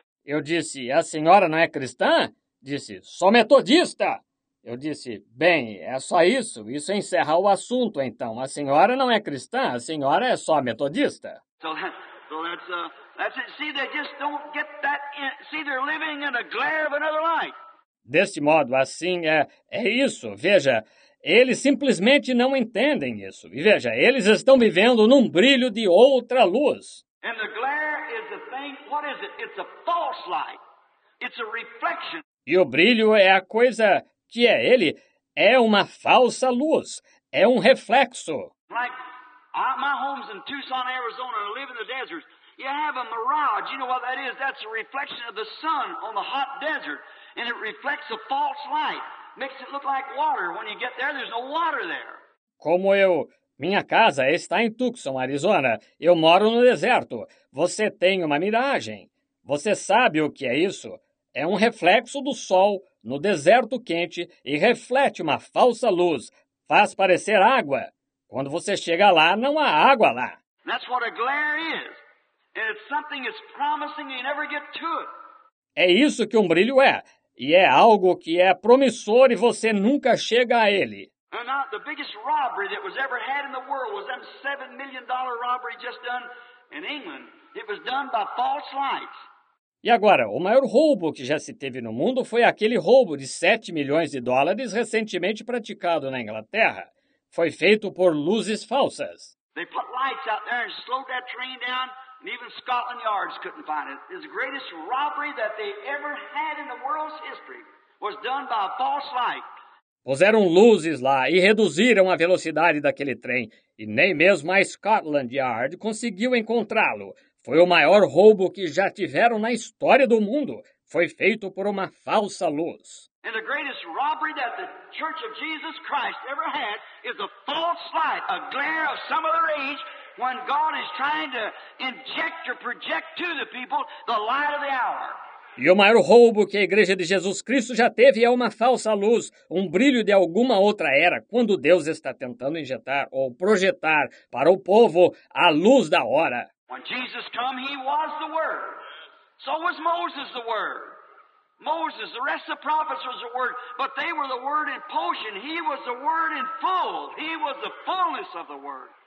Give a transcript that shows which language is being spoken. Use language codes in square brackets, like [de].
[pt] Eu disse, a senhora não é cristã? Disse, sou metodista. Eu disse, bem, é só isso. Isso encerra o assunto, então. A senhora não é cristã, a senhora é só metodista. [en] So that's it. See, they just don't get that. See, they're living in a glare of another light. [pt] Deste modo, assim, é isso. Veja, eles simplesmente não entendem isso. E veja, eles estão vivendo num brilho de outra luz. [en] And the glare is a thing. What is it? It's a false light. It's a reflection. [pt] E o brilho é a coisa que é ele. É uma falsa luz. É um reflexo. [en] Like, my home's in Tucson, Arizona, and I live in the desert. You have a mirage. You know what that is? That's a reflection of the sun on the hot desert. And it reflects a false light. Makes it look like water. When you get there, there's no water there. [pt] Como eu... Minha casa está em Tucson, Arizona. Eu moro no deserto. Você tem uma miragem. Você sabe o que é isso? É um reflexo do sol no deserto quente e reflete uma falsa luz. Faz parecer água. Quando você chega lá, não há água lá. [en] That's what a glare is. And it's something that's promising and you never get to it. [pt] É isso que um brilho é. E é algo que é promissor e você nunca chega a ele. [en] And now, the biggest robbery that was ever had in the world was that $7 million robbery just done in England. It was done by false lights. [pt] E agora, o maior roubo que já se teve no mundo foi aquele roubo de 7 milhões de dólares recentemente praticado na Inglaterra. Foi feito por luzes falsas. [en] They put lights out there and slowed that train down, and even Scotland Yards couldn't find it. It's the greatest robbery that they ever had in the world's history was done by a false light. [pt] Puseram luzes lá e reduziram a velocidade daquele trem. E nem mesmo a Scotland Yard conseguiu encontrá-lo. Foi o maior roubo que já tiveram na história do mundo. Foi feito por uma falsa luz. [en] And the greatest robbery that the Church of Jesus Christ ever had is a false light, a glare of some other age, when God is trying to inject or project to the people the light of the hour. [pt] E o maior roubo que a Igreja de Jesus Cristo já teve é uma falsa luz, um brilho de alguma outra era, quando Deus está tentando injetar ou projetar para o povo a luz da hora. [en] When Jesus came, he was the word. So was Moses the word. Moses, the rest of the prophets was the word, but they were the word in potion. He was the word in full. He was the fullness of the word.